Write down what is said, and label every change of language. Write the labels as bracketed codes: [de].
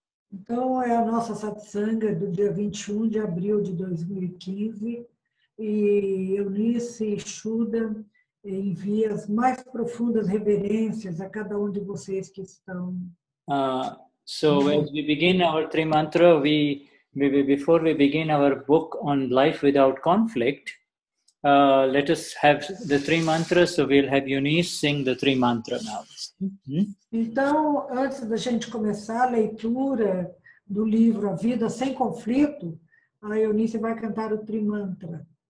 [pt] Então é a nossa satsanga do dia 21 de abril de 2015. E Eunice e Shuddha envia as mais profundas reverências a cada um de vocês que estão. [en] So as we begin our Trimantra, before we begin our book on life without conflict, let us have the three mantras. So we'll have Eunice sing the three mantras now. [pt] Então, antes da gente começar a leitura do livro A Vida Sem Conflito, a Eunice vai cantar o Trimantra.